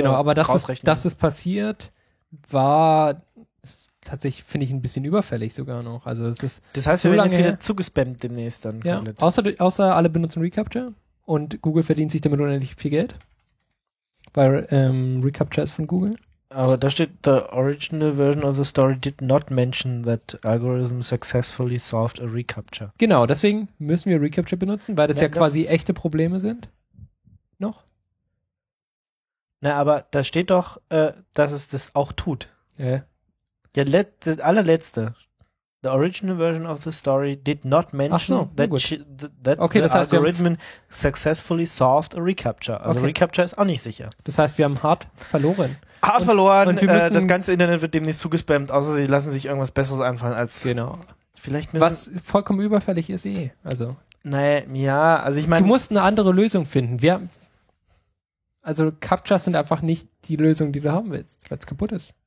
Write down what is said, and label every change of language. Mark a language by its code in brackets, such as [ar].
[de] genau, aber rausrechnen. Dass es passiert, war ist tatsächlich, finde ich, ein bisschen überfällig sogar noch. Also es ist das heißt, so wir werden jetzt wieder zugespammt demnächst dann. Ja, außer alle benutzen Recapture und Google verdient sich damit unendlich viel Geld. Weil Recapture ist von Google. [en] Aber da steht, the original version of the story did not mention that algorithm successfully solved a recapture. [de] Genau, deswegen müssen wir Recapture benutzen, weil das quasi echte Probleme sind. Noch? Na, aber da steht doch, dass es das auch tut. Ja. Ja, das allerletzte. [en] The original version of the story did not mention algorithm successfully solved a recapture. [de] Also okay. Recapture ist auch nicht sicher. Das heißt, wir haben hart verloren. Hart verloren. Und das ganze Internet wird demnächst zugespammt, außer sie lassen sich irgendwas Besseres einfallen als. Genau. Vielleicht was vollkommen überfällig ist eh. Also. Naja, ja, also ich meine. Du musst eine andere Lösung finden. Captchas sind einfach nicht die Lösung, die du haben willst, weil es kaputt ist.